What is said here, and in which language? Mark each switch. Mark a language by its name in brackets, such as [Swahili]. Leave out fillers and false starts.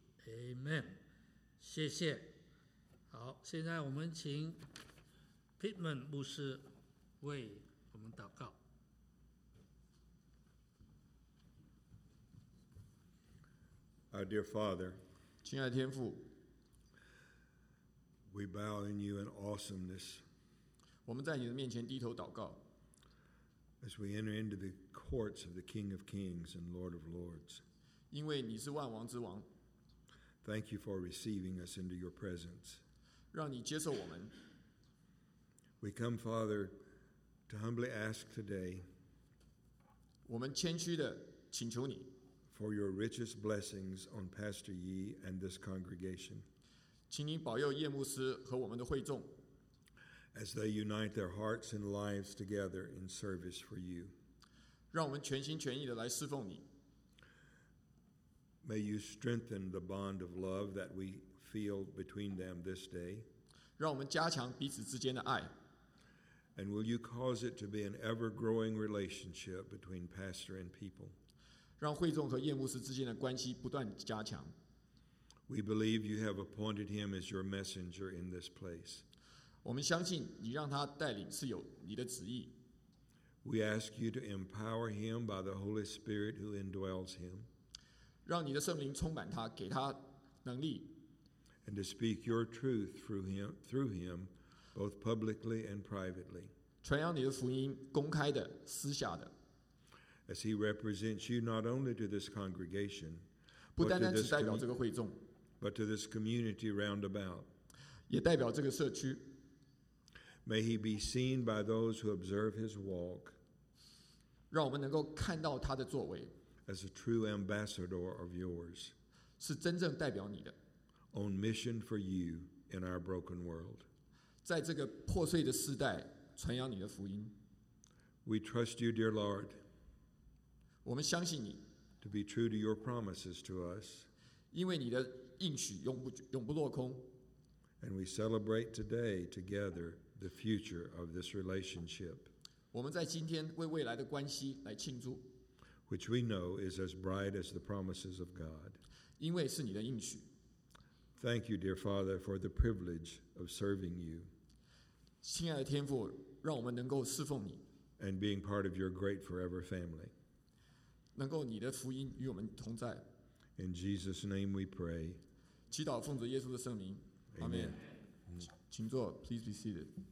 [Chinese] Amen， 谢谢。好，现在我们请 Pittman 牧师为我们祷告。 [English] Our dear Father， [Chinese] 亲爱天父， [English] We bow in you in awesomeness， [Chinese] 我们在你的面前低头祷告。 [English] As we enter into the courts of the King of Kings and Lord of Lords， [Chinese] 因为你是万王之王。 [English] Thank you for receiving us into your presence， [Chinese] 让你接受我们。 [English] We come Father to humbly ask today， [Chinese] 我们谦虚地请求你。 [English] For your richest blessings on Pastor Yi and this congregation， [Chinese] 请你保佑叶牧师和我们的会众。 [English] As they unite their hearts and lives together in service for you， [Chinese] 让我们全心全意的来侍奉你。 [English] May you strengthen the bond of love that we feel between them this day， [Chinese] 让我们加强彼此之间的爱。 [English] And will you cause it to be an ever-growing relationship between pastor and people？ [Chinese] 让会众和叶牧师之间的关系不断加强。 [English] We believe you have appointed him as your messenger in this place， [Chinese] 我们相信你让他带领是有你的旨意。 [English] We ask you to empower him by the Holy Spirit who indwells him， [Chinese] 让你的圣灵充满他，给他能力。 [English] And to speak your truth through him both publicly and privately， [Chinese] 传扬你的福音，公开的，私下的。 [English] As he represents you not only to this congregation， [Chinese] 不单单只代表这个会众， [English] but to this community round about， [Chinese] 也代表这个社区。 [English] May he be seen by those who observe his walk， [Chinese] 让我们能够看到他的作为。 [English] As a true ambassador of yours， [Chinese] 是真正代表你的。 [English] On mission for you in our broken world， [Chinese] 在这个破碎的时代传扬你的福音。 [English] We trust you dear Lord， [Chinese] 我们相信你。 [English] To be true to your promises to us， [Chinese] 因为你的应许永不落空。 [English] And we celebrate today together the future of this relationship， [Chinese] 我们在今天为未来的关系来庆祝。 [English] Which we know is as bright as the promises of God， [Chinese] 因为是你的应许。 [English] Thank you dear Father for the privilege of serving you， [Chinese] 亲爱的天父，让我们能够侍奉你。 [English] And being part of your great forever family， [Chinese] 能够你的福音与我们同在。 [English] In Jesus' name we pray， [Chinese] 祈祷奉主耶稣的圣名， [English] Amen， Amen。 [Chinese] 请坐。 [English] Please be seated。